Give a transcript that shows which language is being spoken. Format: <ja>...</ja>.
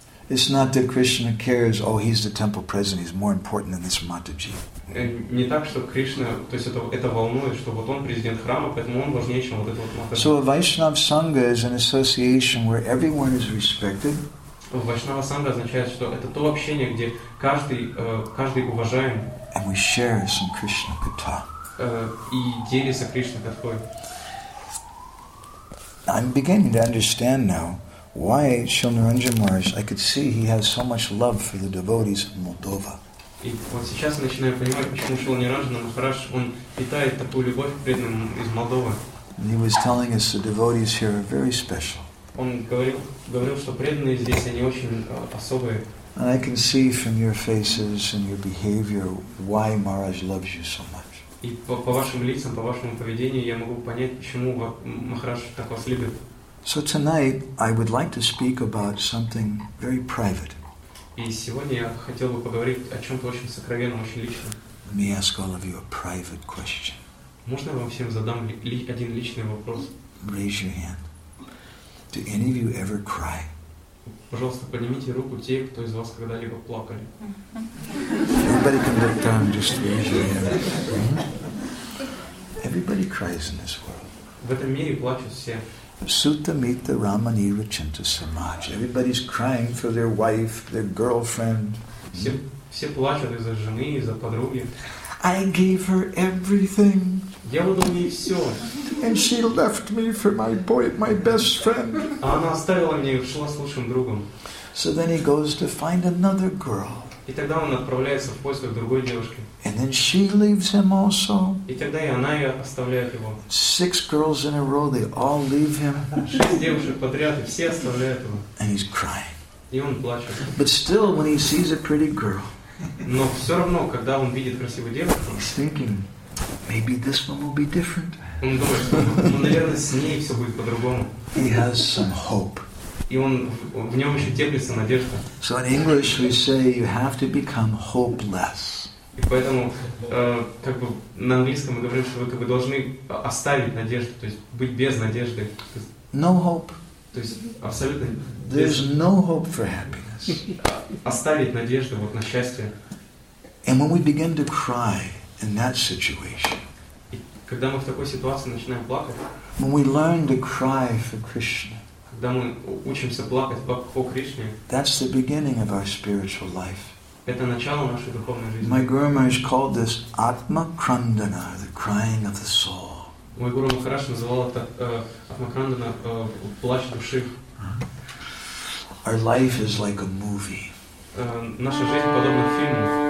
<en>It's not that Krishna cares, oh, he's the temple president, he's more important than this Mataji.</en> <ru>Не так, что Кришна, то есть это волнует, что вот он президент храма, поэтому он важнее, чем вот этот вот Матаджи.</ru> <en>So a Vaishnav Sangha is an association where everyone is respected.</en> <ru>Вайшнава Сангха означает, что это то общение, где каждый уважаем.</ru> <en>And we share some Krishna Katha.</en> <ru>И делится Кришна Катхой.</ru> <en>I'm beginning to understand now why Shri Naranja Maharaj, I could see he has so much love for the devotees of Moldova.</en> <ru>И вот сейчас я начинаю понимать, почему Шри Наранджана Махарадж, он питает такую любовь к преданным из Молдовы.</ru> <en>He was telling us the devotees here are very special.</en> <ru>Он говорил, что преданные здесь, они очень особые.</ru> <en>And I can see from your faces and your behavior why Maharaj loves you so much.</en> <ru>И по вашим лицам, по вашему поведению, я могу понять, почему Махарадж так вас любит.</ru> <en>So tonight I would like to speak about something very private.</en> <ru>И сегодня я хотел бы поговорить о чем-то очень сокровенном, очень личном.</ru> <en>Let me ask all of you a private question.</en> <ru>Можно я вам всем задам один личный вопрос?</ru> <en>Raise your hand. Do any of you ever cry?</en> <ru>Пожалуйста, поднимите руку те, кто из вас когда-либо плакали.</ru> <en>Everybody can look down, just raise your hand. Everybody cries in this world.</en> <ru>В этом мире плачут все.</ru> <sa>Sutta Mita Ramani Rachanta Samaj.</sa> <en>Everybody's crying for their wife, their girlfriend.</en> <ru>Все плачут из-за жены, из-за подруги.</ru> <en>I gave her everything.</en> <ru>Я выдал ей все.</ru> <en>And she left me for my boy, my best friend.</en> <ru>А она оставила меня и ушла с лучшим другом.</ru> <en>So then he goes to find another girl.</en> <ru>И тогда он отправляется в поисках другой девушки.</ru> <en>And then she leaves him also.</en> <ru>И тогда и она оставляет его.</ru> <en>Six girls in a row, they all leave him.</en> <ru>Шесть девушек подряд, и все оставляют его.</ru> <en>And he's crying.</en> <ru>И он плачет.</ru> <en>But still, when he sees a pretty girl,</en> <ru>но все равно, когда он видит красивую девушку,</ru> <en>he's thinking, maybe this one will be different.</en> <ru>Он думает, наверное, с ней все будет по-другому.</ru> <en>He has some hope.</en> <ru>И он в нем еще теплится надежда.</ru> <en>So in English we say you have to become hopeless.</en> <ru>И поэтому, как бы на английском мы говорим, что вы как бы должны оставить надежду, то есть быть без надежды.</ru> <en>No hope.</en> <ru>То есть абсолютно.</ru> <en>There's no hope for happiness.</en> <ru>Оставить надежду вот на счастье.</ru> <en>And when we begin to cry in that situation.</en> <ru>И когда мы в такой ситуации начинаем плакать.</ru> <en>When we learn to cry for Krishna.</en> <ru>Когда мы учимся плакать по Кришне.</ru> <en>That's the beginning of our spiritual life.</en> <ru>Это начало нашей духовной жизни.</ru> <en>My Guru Maharaj called this Atma Krandana, the crying of the soul.</en> <ru>Мой Гуру Махарадж называл это Атма Крандана, плач души.</ru> <en>Our life is like a movie.</en> <ru>Наша жизнь подобна фильму.</ru>